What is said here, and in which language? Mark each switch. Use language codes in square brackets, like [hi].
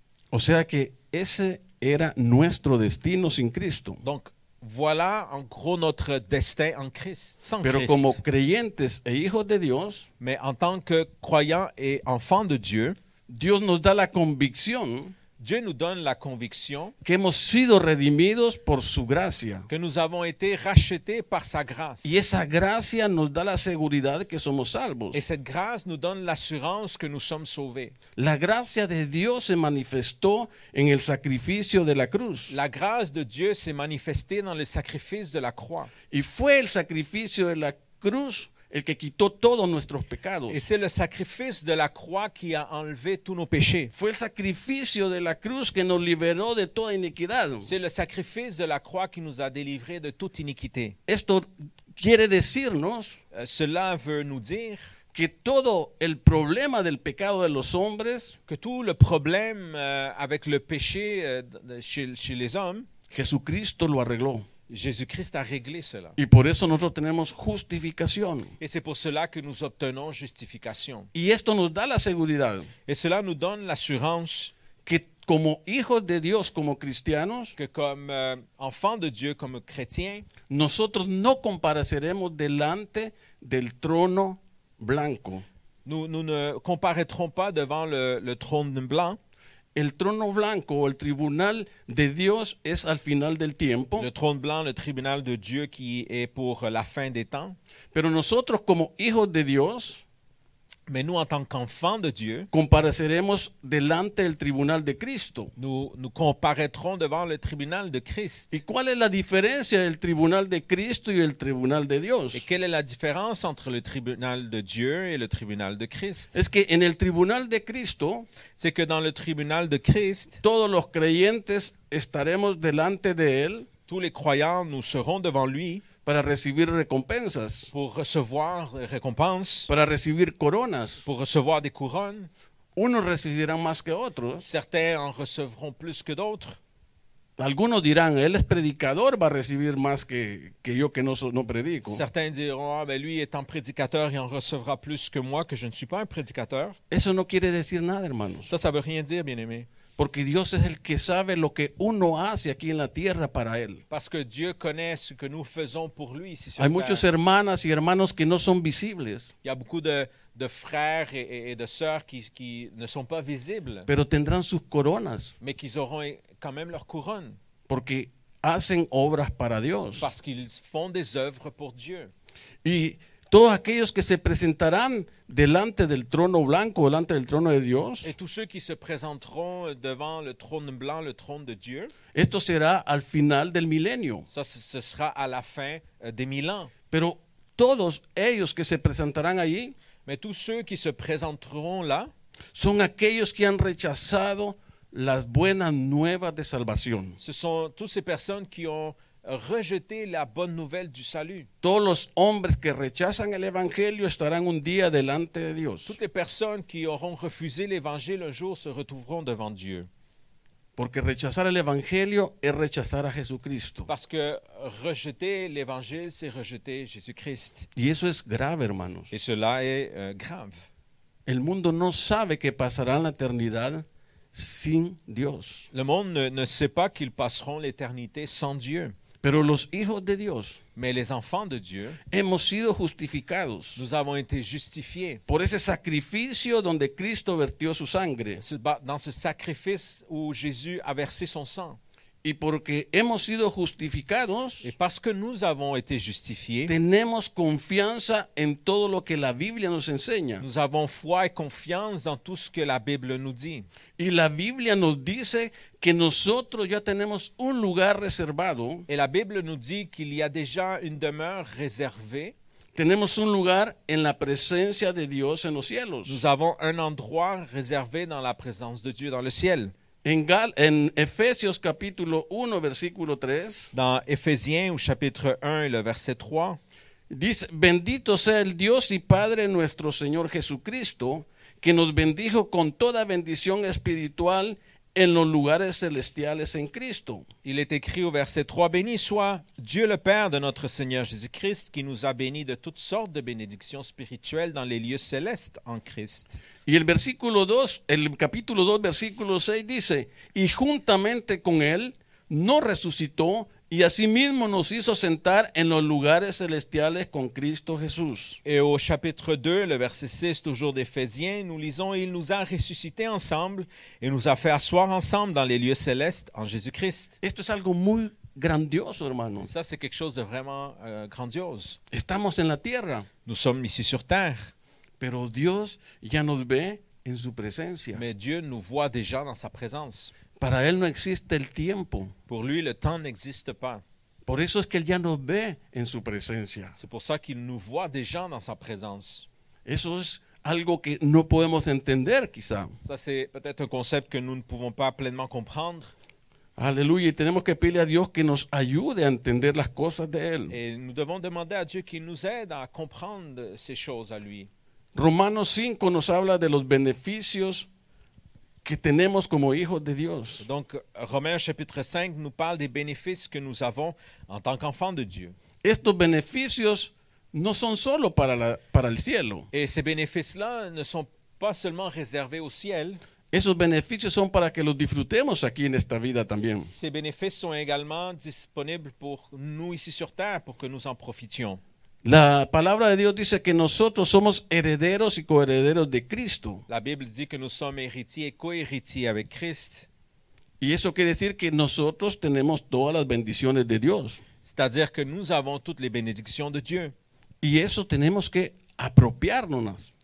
[es] O sea que ese era nuestro destino sin Cristo. [fr] Donc, voilà en gros notre destin en Christ, sans [es] Pero [fr] Christ. [es] Como creyentes e hijos de Dios, [fr] mais en tant que croyants et enfants de Dieu, [es] Dios nos da la convicción, [fr] Dieu nous donne la conviction [es] que hemos sido redimidos por su gracia, [fr] que nous avons été rachetés par sa grâce. [es] Y esa gracia nos da la seguridad que somos salvos. [fr] Et cette grâce nous donne l'assurance que nous sommes sauvés. [es] La gracia de Dios se manifestó en el sacrificio de la cruz. [fr] La grâce de Dieu s'est manifestée dans le sacrifice de la croix. [es] Y fue el sacrificio de la cruz el que quitó todos nuestros pecados. [fr] Et c'est le sacrifice de la croix qui a enlevé tous nos péchés. [es] Fue el sacrificio de la cruz que nos liberó de toda iniquidad. [fr] C'est le sacrifice de la croix qui nous a délivré de toute iniquité. [es] Esto quiere decirnos, [fr] cela veut nous dire, [es] que todo el problema del pecado de los hombres, [fr] que tout le problème avec le péché chez les hommes, [es] Jesucristo lo arregló. [fr] Jésus-Christ a réglé cela. [es] Y por eso nosotros tenemos justificación. [fr] Et c'est pour cela que nous obtenons justification. [es] Y esto nos da la seguridad. [fr] Et cela nous donne l'assurance [es] que como hijos de Dios, como cristianos, [fr] que comme enfants de Dieu, comme chrétiens, [es] nosotros no compareceremos delante del trono blanco. [fr] Nous ne comparaîtrons pas devant le trône blanc. [es] El trono blanco o el tribunal de Dios es al final del tiempo. [fr] Le trône blanc, le tribunal de Dieu qui est pour la fin des temps. [es] Pero nosotros como hijos de Dios, [fr] mais nous en tant qu'enfants de Dieu, [es] compareceremos delante del tribunal de Cristo. [fr] Nous comparaîtrons devant le tribunal de Christ. [es] ¿Y cuál es la diferencia del tribunal de Cristo y el tribunal de Dios? [fr] Et quelle est la différence entre le tribunal de Dieu et le tribunal de Christ? [es] Es que en el tribunal de Cristo, [fr] c'est que dans le tribunal de Christ, [es] todos los creyentes estaremos delante de él, [fr] tous les croyants nous serons devant lui. [es] Para recibir recompensas. [fr] Pour recevoir des récompenses. [es] Para recibir coronas. [fr] Pour recevoir des couronnes. [es] Unos recibirán más que otros. [fr] Certains en recevront plus que d'autres. [es] Algunos dirán, él es predicador, va a recibir más que yo que no predico. [fr] Certains diront, ah, ben lui étant prédicateur, il en recevra plus que moi, que je ne suis pas un prédicateur. [es] Eso no quiere decir nada, hermanos. [fr] Ça veut rien dire, bien-aimé. [es] Porque Dios es el que sabe lo que uno hace aquí en la tierra para él. [fr] Parce que Dieu connaît ce que nous faisons pour lui. [es] Si Hay muchos hermanas y hermanos que no son visibles. [fr] Il y a beaucoup de frères et de sœurs qui ne sont pas visibles. [es] Pero tendrán sus coronas. [fr] Mais qu'ils auront quand même leur couronne. [es] Porque hacen obras para Dios. [fr] Parce qu'ils font des œuvres pour Dieu. [es] Y todos aquellos que se presentarán delante del trono blanco, delante del trono de Dios. [fr] Et tous ceux qui se présenteront devant le trône blanc, le trône de Dieu. [es] Esto será al final del milenio. [fr] Ça, ce sera à la fin des mille ans. [es] Pero todos ellos que se presentarán allí. [fr] Mais tous ceux qui se présenteront là. [es] Son aquellos que han rechazado las buenas nuevas de salvación. [fr] Ce sont toutes ces personnes qui ont rejeter la bonne nouvelle du salut. [es] Todos los hombres que rechazan el evangelio estarán un día delante de Dios. [fr] Toutes les personnes qui auront refusé l'évangile un jour se retrouveront devant Dieu. [es] Porque rechazar el evangelio es rechazar a Jesucristo. [fr] Parce que rejeter l'évangile c'est rejeter Jésus-Christ. [es] Y eso es grave, hermanos. [fr] Et cela est grave. [es] El mundo no sabe que pasará la eternidad sin Dios. [fr] Le monde ne sait pas qu'ils passeront l'éternité sans Dieu. [es] Pero los hijos de Dios, [fr] mais les enfants de Dieu, [es] hemos sido justificados. [fr] Nous avons été justifiés. [es] Por ese sacrificio donde Cristo vertió su sangre. [fr] Dans ce sacrifice où Jésus a versé son sang. [es] Y porque hemos sido justificados, [fr] et parce que nous avons été justifiés, [es] tenemos confianza en todo lo que la Biblia nos enseña. [fr] Nous avons foi et confiance dans tout ce que la Bible nous dit. [es] Y la Biblia nos dice que nosotros ya tenemos un lugar reservado. [fr] Et la Bible nous dit qu'il y a déjà une demeure réservée. [es] Tenemos un lugar en la presencia de Dios en los cielos. [fr] Nous avons un endroit réservé dans la présence de Dieu dans le ciel. [es] En Efésios capítulo 1 versículo 3. [fr] Dans Éphésiens au chapitre 1 le verset 3. [es] Dice: Bendito sea el Dios y Padre nuestro Señor Jesucristo, que nos bendijo con toda bendición espiritual en los lugares celestiales en Cristo. [fr] Il est écrit au verset 3, « Béni soit Dieu le Père de notre Seigneur Jésus-Christ, qui nous a bénis de toutes sortes de bénédictions spirituelles dans les lieux célestes en Christ. » [es] Y el versículo 2, el capítulo 2, versículo 6 dice, « Y juntamente con él nos resucitó, y asimismo nos hizo sentar en los lugares celestiales con Cristo Jesús. [fr] Et au chapitre 2, le verset 6, toujours d'Éphésiens, nous lisons, il nous a ressuscité ensemble et nous a fait asseoir ensemble dans les lieux célestes en Jésus-Christ. [es] Esto es algo muy grandioso, hermano. [fr] Ça, c'est quelque chose de vraiment grandiose. [es] Estamos en la tierra. [fr] Nous sommes ici sur terre. [es] Pero Dios ya nos ve en su presencia. [fr] Mais Dieu nous voit déjà dans sa présence. [es] Para él no existe el tiempo. [fr] Pour lui, le temps n'existe pas. [es] Por eso es que él ya nos ve en su presencia. [fr] C'est pour ça qu'il nous voit déjà dans sa présence. [es] Eso es algo que no podemos entender, quizá. [fr] Ça, c'est peut-être un concept que nous ne pouvons pas pleinement comprendre. [es] Aleluya, y tenemos que pedirle a Dios que nos ayude a entender las cosas de él. [fr] Et nous devons demander à Dieu qu'il nous aide à comprendre ces choses à lui. [es] Romanos 5 nos habla de los beneficios que tenemos como hijos de Dios. [fr] Donc Romains chapitre 5 nous parle des bénéfices que nous avons en tant qu'enfants de Dieu. [es] Estos beneficios no son solo para el cielo. [fr] Et ces bénéfices-là ne sont pas seulement réservés au ciel. [es] Esos beneficios son para que los disfrutemos aquí en esta vida también. [fr] Ces bénéfices sont également disponibles pour nous ici sur terre pour que nous en profitions. [es] La palabra de Dios dice que nosotros somos herederos y coherederos de Cristo. La Biblia dice [fr] que nous sommes héritiers et co-héritiers avec Christ. [es] Y eso quiere decir que nosotros tenemos todas las bendiciones de Dios. [fr] C'est-à-dire que nous avons toutes les bénédictions de Dieu. [es] Y eso tenemos que apropiárnoslas.